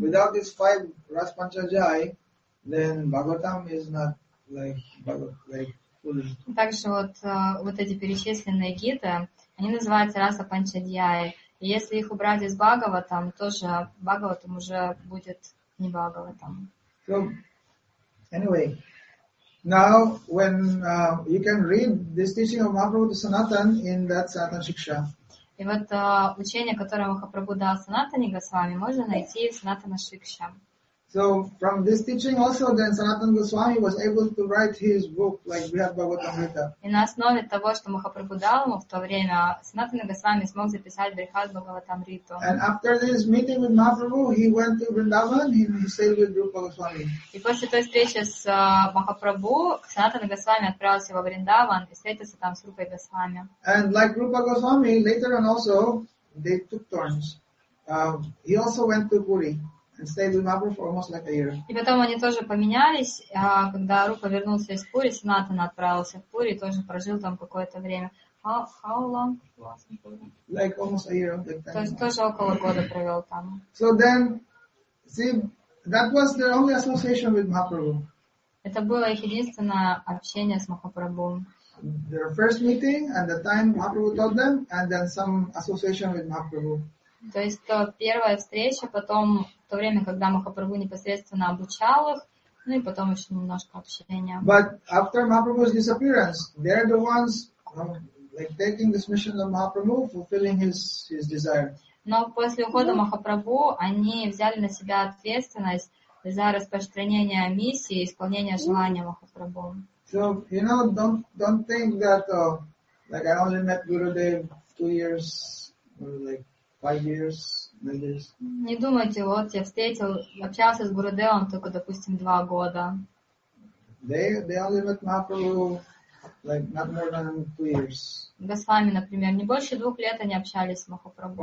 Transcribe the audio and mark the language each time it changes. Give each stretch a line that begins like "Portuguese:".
English: Without these 5 ras panchajai, then Bhagavatam is not like fully.
Russian: Также вот эти перечисленные гиты, они называются раса панчаджаи. И если их убрать из Бхагаватам, тоже Бхагаватам уже будет не Бхагаватам.
English: So anyway. Now, when you can read this teaching of Mahaprabhu Sanatan in that Sanatan Shiksha.
Russian: И вот учение, которое Махапрабху дал Санатане Госвами, можно найти в Санатана Шикша.
English: So, from this teaching also, then Sanatan Goswami was able to write his book, like Brihat Bhagavatamrita.
Russian: И на основе того, что Махапрабху дал ему в то время, Санатана Госвами смог записать Брихат Бхагаватамриту.
English: And after this meeting with Mahaprabhu, he went to Vrindavan and he stayed with Rupa Goswami.
Russian: И после той встречи с Махапрабху, Санатана Госвами отправился во Вриндаван и встретился там с Рупой Госвами.
English: And like Rupa Goswami, later on also, they took turns. He also went to Puri. And stayed with Mahaprabhu for almost like a year.
Russian: И потом они тоже поменялись, когда Рупа вернулся из Пури, Санатана отправился в Пури, тоже прожил там какое-то время.
English: How long was in Puri? Like almost a year.
Russian: Тоже около года провел там.
English: So then, see, that was their only association with Mahaprabhu.
Russian: Это было их единственное общение с Махапрабху.
English: Their first meeting and the time Mahaprabhu taught them, and then some association with Mahaprabhu.
Russian: То есть то первая встреча, потом в то время, когда Махапрабху непосредственно обучал их, ну и потом еще немножко общения.
English: But after Mahaprabhu's disappearance, they're the ones like taking this mission of Mahaprabhu, fulfilling his desire.
Russian: Но после ухода Махапрабху они взяли на себя ответственность за распространение миссии и исполнение желания Махапрабху.
English: So, you know, don't think that like I only met Gurudev 2 years or like 5 years, maybe.
Russian: Не думайте, вот я встретил, общался с Гурудевом только, допустим, 2 года.
English: They only met Mahaprabhu like not more than 2 years.
Russian: Госвами, например, не больше 2 лет они общались с Махапрабху.